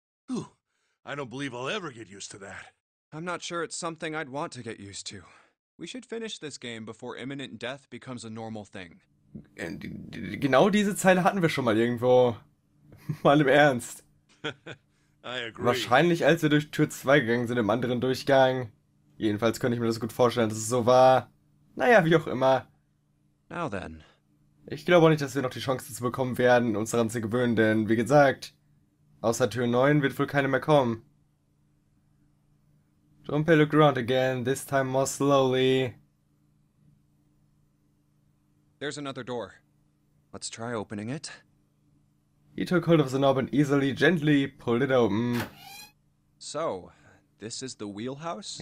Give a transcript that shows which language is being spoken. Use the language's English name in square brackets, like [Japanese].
[English] Ooh, I don't believe I'll ever get used to that. I'm not sure it's something I'd want to get used to. We should finish this game before imminent death becomes a normal thing. [German] Genau diese Zeile hatten wir schon mal irgendwo. Mal im Ernst. [English] I agree. [German] Wahrscheinlich als wir durch Tür 2 gegangen sind im anderen Durchgang. Jedenfalls könnte ich mir das gut vorstellen, dass es so war. Naja, wie auch immer. [English] Now then. [German] Ich glaube auch nicht, dass wir noch die Chance dazu bekommen werden, uns daran zu gewöhnen, denn wie gesagt, außer Tür 9 wird wohl keine mehr kommen. [English] Junpei looked around again, this time more slowly. There's another door. Let's try opening it. He took hold of the knob and easily, gently pulled it open. So, this is the wheelhouse?